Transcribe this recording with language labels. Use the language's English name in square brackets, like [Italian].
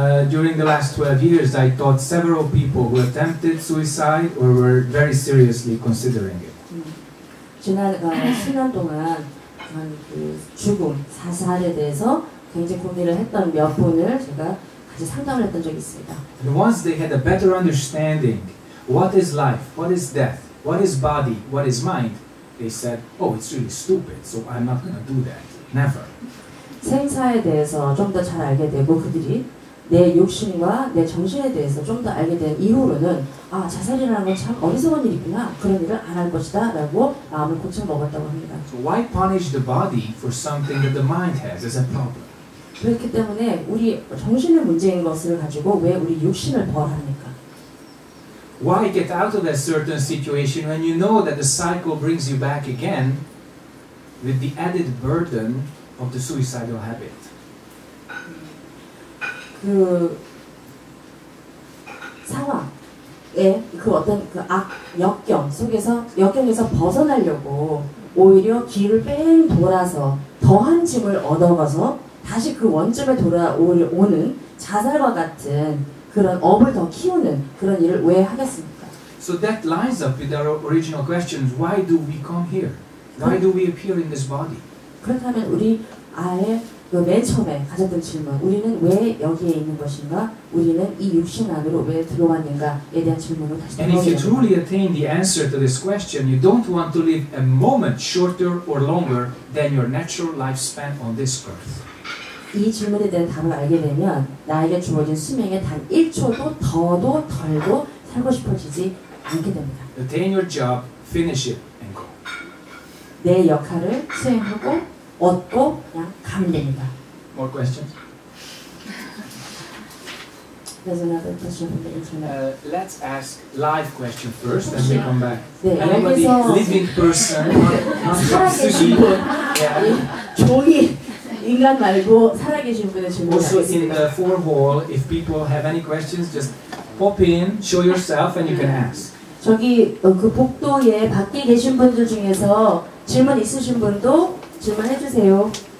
[English] During the last 12 years, I taught several people who attempted suicide or were very seriously considering it. [Korean] 지난 10년 동안 죽음, 자살에 대해서 굉장히 고민을 했던 몇 분을 제가 같이 상담을 했던 적이 있습니다. [English] And once they had a better understanding, what is life, what is death, what is body, what is mind, they said, oh, it's really stupid, so I'm not going to do that, never. [Korean] 생사에 대해서 좀 더 잘 알게 되고 그들이 내 욕심과 내 정신에 대해서 좀 더 알게 된 이후로는 아 자살이라는 건 참 어리석은 일이구나 그런 일을 안 할 것이다 라고 마음을 고쳐 먹었다고 합니다. [English] So why punish the body for something that the mind has as a problem? [Korean] 그렇기 때문에 우리 정신의 문제인 것을 가지고 왜 우리 욕심을 벌하니까? [English] Why get out of a certain situation when you know that the cycle brings you back again with the added burden of the suicidal habit? [Korean] 그 상황에 그 어떤 그 악 역경에서 벗어나려고 오히려 길을 뺑 돌아서 더한 짐을 얻어가서 다시 그 원점에 돌아오는 자살과 같은 그런 업을 더 키우는 그런 일을 왜 하겠습니까? [English] So that lines up with our original questions. Why do we come here? Why do we appear in this body? [Korean] 그렇다면 우리 아예 그 맨 처음에 가졌던 질문, 우리는 왜 여기에 있는 것인가? 우리는 이 육신 안으로 왜 들어왔는가에 대한 질문을 다시 [English] And if you truly attain the answer to this question, you don't want to live a moment shorter or longer than your natural lifespan on this earth. [Korean] 이 질문에 대한 답을 알게 되면 나에게 주어진 수명에 단 1초도 더도 덜도 살고 싶어지지 않게 됩니다. [English] Attain your job, finish it, and go. [Korean] 내 역할을 수행하고 얻고 그냥 가면 됩니다. [English] More questions? There's another question from the internet. Let's ask live question first, then we come back. Anybody living person, not sushi. Yeah. [Korean] 종이 인간 말고 살아계신 분의 질문. [English] Also in the four hall, if people have any questions, just pop in, show yourself, and you can ask. [Korean] 저기 그 복도에 밖에 계신 분들 중에서 질문 있으신 분도 질문해 주세요.